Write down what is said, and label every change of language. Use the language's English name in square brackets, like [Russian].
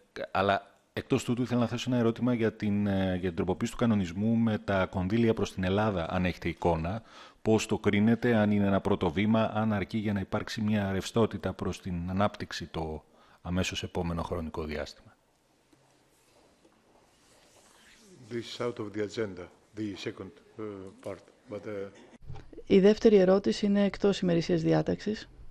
[Greek] Αλλά εκτός τούτου, ήθελα να θέσω ένα ερώτημα για την τροποποίηση του κανονισμού με τα κονδύλια προς την Ελλάδα, αν έχετε εικόνα. Πώς το κρίνετε, αν είναι ένα πρώτο βήμα, αν αρκεί για να υπάρξει μια ρευστότητα προς την ανάπτυξη το αμέσως επόμενο χρονικό διάστημα. [English] This is out of the agenda, the second part. But, [Greek] η δεύτερη ερώτηση είναι εκτός ημερησίας διάταξης.